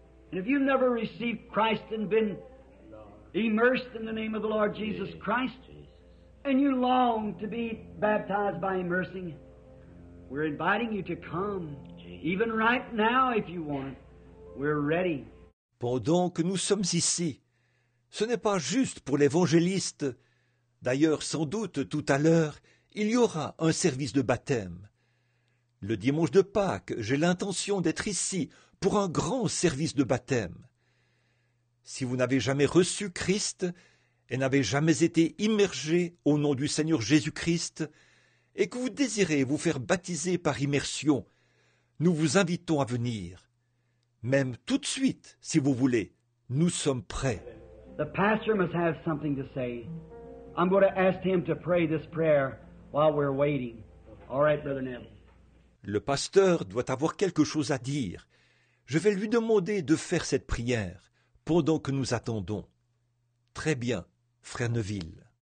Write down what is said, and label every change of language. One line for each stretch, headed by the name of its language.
English: And if you've never received Christ and been immersed in the name of the Lord Jesus Christ, and you long to be baptized by immersing, we're inviting you to come. Even right now, if you want, we're ready.
French: Pendant que nous sommes ici, ce n'est pas juste pour l'évangéliste. D'ailleurs, sans doute, tout à l'heure, il y aura un service de baptême. Le dimanche de Pâques, j'ai l'intention d'être ici pour un grand service de baptême. Si vous n'avez jamais reçu Christ et n'avez jamais été immergé au nom du Seigneur Jésus-Christ et que vous désirez vous faire baptiser par immersion, nous vous invitons à venir. Même tout de suite, si vous voulez, nous sommes prêts.
English: The pastor must have something to say. I'm going to ask him to pray this prayer while we're waiting. All right, Brother Neville.
French: Le pasteur doit avoir quelque chose à dire. Je vais lui demander de faire cette prière pendant que nous attendons. Très bien, frère Neville.